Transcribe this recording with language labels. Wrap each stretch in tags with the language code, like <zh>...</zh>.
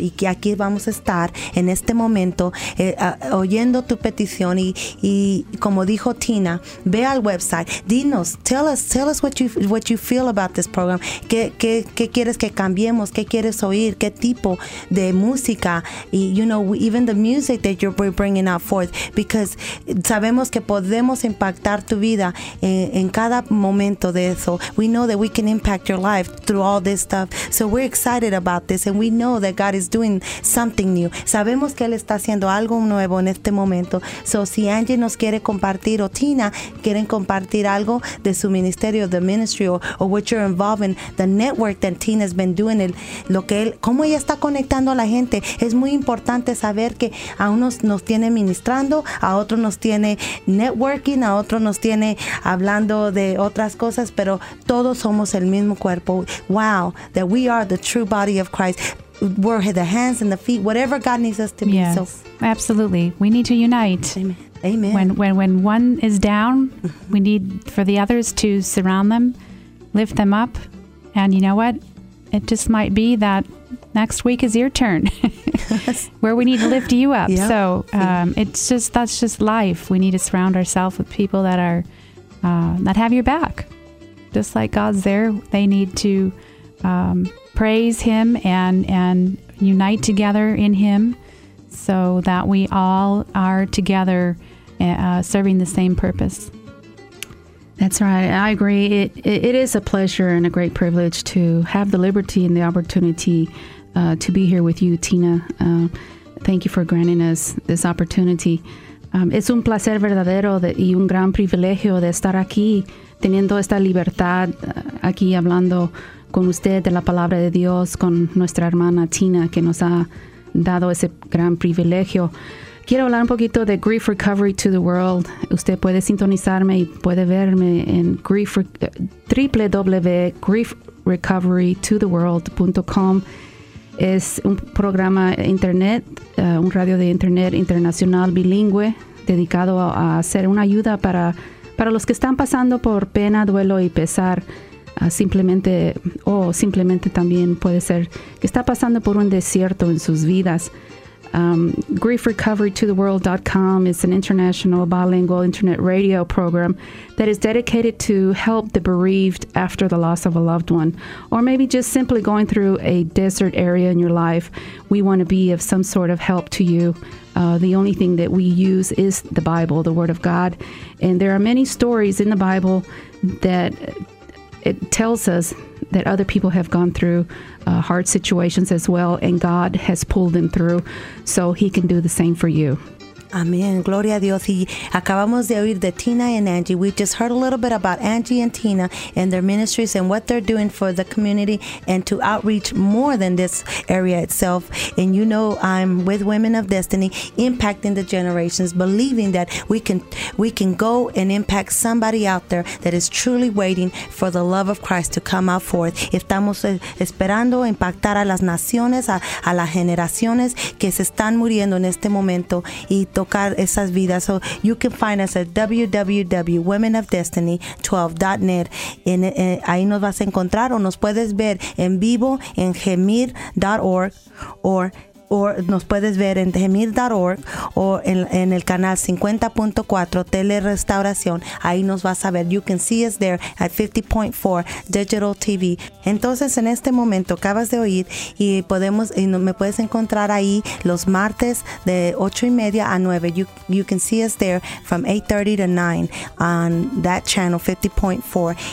<es>Y que aquí vamos a estar en este momento oyendo tu petición. Y como dijo Tina, ve al website. Dinos,</es> <en>tell us what you feel about this program.</en> <es>¿Qué quieres que cambiemos? ¿Qué quieres oír? ¿Qué tipo de música?</es> <en>Y, you know, even the music that you're bringing out forth. Because</en> <es>sabemos que podemos impactar tu vida en cada momento de eso.</es> <en>We know that we can impact your life through all this stuff. So we're excited about this, and we know that God is doing something new.</en> <es>Sabemos que Él está haciendo algo nuevo en este momento. So si Angie nos quiere compartir, o Tina quieren compartir algo de su ministerio,</es> <en>the ministry, or what you're involved in, the network that Tina's been doing,</en> <es>cómo ella está conectando a la gente. Es muy importante saber que a unos nos tiene ministrando, a otros nos tiene networking, a otro nos tiene hablando de otras cosas, pero todos somos el mismo cuerpo.</es> <en>Wow, that we are the true body of Christ. We're the hands and the feet, whatever God needs us to be. Yes, so absolutely. We need to unite. Amen. When one is down, we need for the others to surround them, lift them up, and you know what? It just might be that next week is your turn where we need to lift you up. Yep. So that's just life. We need to surround ourselves with people that are that have your back. Just like God's there, they need to praise him and unite together in him so that we all are together serving the same purpose. That's right. I agree. It is a pleasure and a great privilege to have the liberty and the opportunity to be here with you, Tina. Thank you for granting us this opportunity.</en> <es>Es un placer verdadero y un gran privilegio de estar aquí, teniendo esta libertad aquí hablando con usted de la palabra de Dios, con nuestra hermana Tina, que nos ha dado ese gran privilegio. Quiero hablar un poquito de Grief Recovery to the World. Usted puede sintonizarme y puede verme en www.griefrecoverytotheworld.com. Es un programa internet, un radio de internet internacional bilingüe dedicado a hacer una ayuda para los que están pasando por pena, duelo y pesar. Simplemente también puede ser que está pasando por un desierto en sus vidas.</es> <en>GriefRecoveryToTheWorld.com is an international bilingual internet radio program that is dedicated to help the bereaved after the loss of a loved one, or maybe just simply going through a desert area in your life. We want to be of some sort of help to you. The only thing that we use is the Bible, the Word of God. And there are many stories in the Bible that it tells us that other people have gone through hard situations as well, and God has pulled them through, so He can do the same for you.</en> <es>Amen. Gloria a Dios. Y acabamos de oír de Tina</es> <en>and Angie. We just heard a little bit about Angie and Tina and their ministries and what they're doing for the community and to outreach more than this area itself. And you know, I'm with Women of Destiny, impacting the generations, believing that we can go and impact somebody out there that is truly waiting for the love of Christ to come out forth.</en> <es>Estamos esperando impactar a las naciones, a las generaciones que se están muriendo en este momento y tocar esas vidas.</es> <en>So you can find us at www.womenofdestiny12.net.</en> <es>Ahí nos vas a encontrar o nos puedes ver en vivo en gemir.org or nos puedes ver en gemir.org o en el canal 50.4 Telerestauración. Ahí nos vas a ver.</es> <en>You can see us there at 50.4 Digital TV.</en> <es>Entonces, en este momento acabas de oír y podemos y me puedes encontrar ahí los martes de 8:30 to 9.</es> <en>You can see us there from 8:30 to 9 on that channel 50.4.</en>